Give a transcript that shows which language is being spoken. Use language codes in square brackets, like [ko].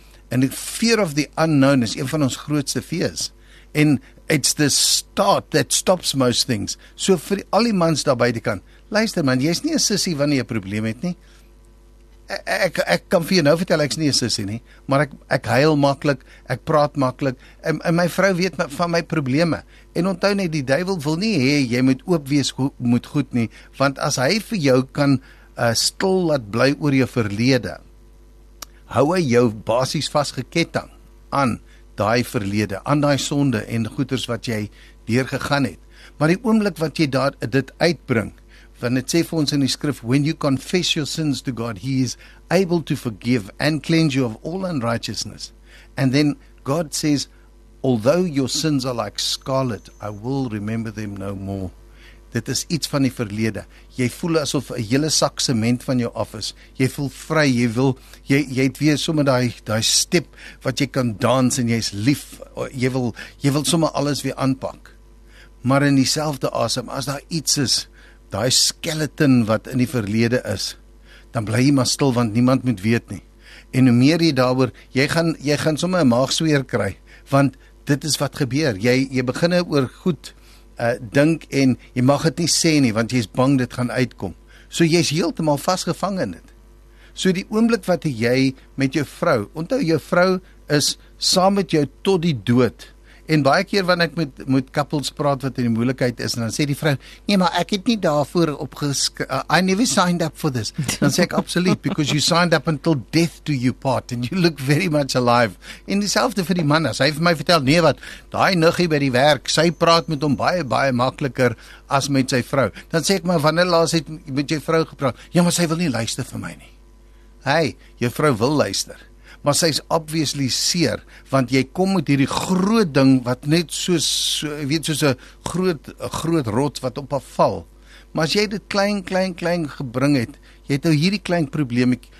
[en] And the fear of the unknown is [af] een van ons grootste [en] fears. And it's the start that stops most things. [af] So vir al die mans daar buitekant, luister man, jy is nie 'n sissie wanneer jy 'n probleem het nie. Ek kan vir jou nou vertel, ek is nie 'n sissie nie, maar ek huil maklik, ek praat maklik, en my vrou weet van my probleme. En onthou net, die duiwel wil nie hê jy moet oop wees moet goed nie, want as hy vir jou kan stil laat bly oor jou verlede, hou hy jou basies vasgeketting aan daai verlede, aan daai sonde en goeders wat jy deurgegaan het. Maar die oomblik wat jy daar dit uitbring, want dit sê vir ons in die skrif, [en] when you confess your sins to God, he is able to forgive and cleanse you of all unrighteousness. And then God says, although your sins are like scarlet, I will remember them no more. [af] Dit is iets van die verlede. Jy voel asof 'n hele sak sement van jou af is. Jy voel vry, jy het weer sommer daai step wat jy kan dans en jy's lief. Jy wil sommer alles weer aanpak. Maar in dieselfde asem, as daar iets is, daai skeleton wat in die verlede is, dan bly jy maar stil want niemand moet weet nie. En hoe meer jy daaroor, jy gaan sommer 'n maagsweer kry, want dit is wat gebeur. Jy begin oor goed dink en jy mag dit nie sê nie want jy's bang dit gaan uitkom. So jy's heeltemal vasgevang in dit. So die oomblik wat jy met jou vrou, onthou jou vrou is saam met jou tot die dood. En baie keer wanneer ek met couples praat wat in die moeilikheid is, en dan sê die vrou, nee, maar ek het nie daarvoor [en] I never signed up for this. [af] Dan sê ek, absoluut, [en] because you signed up until death do you part, and you look very much alive. [af] En dieselfde vir die man, as hy vir my vertel, nee wat, daai nuggie by die werk, sy praat met hom baie, baie makliker as met sy vrou. Dan sê ek, maar wanneer laas het met jou vrou gepraat? Ja, maar sy wil nie luister vir my nie. Hey, jou vrou wil luister. Maar sy is obviously seer, want jy kom met hierdie groot ding wat net soos 'n groot rots wat op haar val. Maar as jy dit klein gebring het, jy het nou hierdie klein probleemetjie.